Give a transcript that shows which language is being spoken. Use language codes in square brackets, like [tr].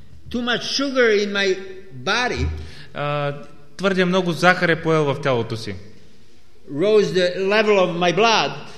[en] Too much sugar in my body. [bg] Твърде много захар е поел в тялото си. [en] Rose the level of my blood.